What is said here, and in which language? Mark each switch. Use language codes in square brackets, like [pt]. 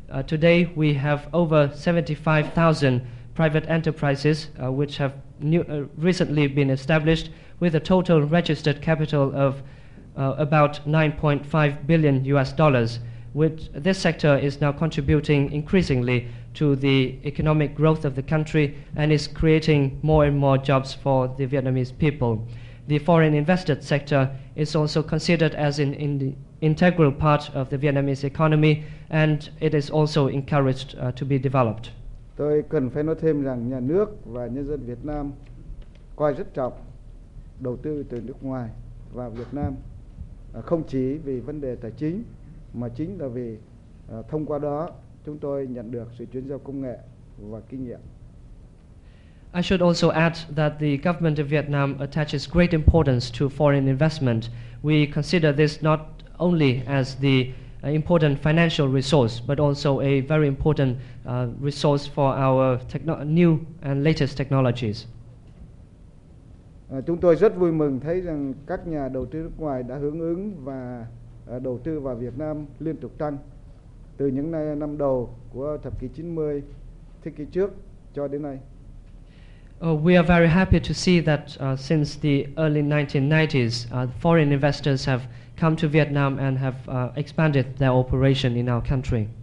[en] Today, we have over 75,000 private enterprises which have recently been established with a total registered capital of about $9.5 billion, which this sector is now contributing increasingly to the economic growth of the country and is creating more and more jobs for the Vietnamese people. The foreign invested sector is also considered as an integral part of the Vietnamese economy, and it is also encouraged to be developed. [vi] Tôi cần phải nói thêm rằng nhà nước và nhân dân Việt Nam coi rất trọng đầu tư từ nước ngoài vào Việt Nam, không chỉ vì vấn đề tài chính, mà chính là vì thông qua đó chúng tôi nhận được sự chuyển giao công nghệ và kinh nghiệm. [en] I should also add that the government of Vietnam attaches great importance to foreign investment. We consider this not only as the important financial resource, but also a very important resource for our new and latest technologies. [vi] Chúng tôi rất vui mừng thấy rằng các nhà đầu tư nước ngoài đã hưởng ứng và đầu tư vào Việt Nam liên tục tăng từ những năm đầu của thập kỷ 90 thế kỷ trước cho đến nay. [en] We are very happy to see that since the early 1990s, foreign investors have come to Vietnam and have expanded their operation in our country.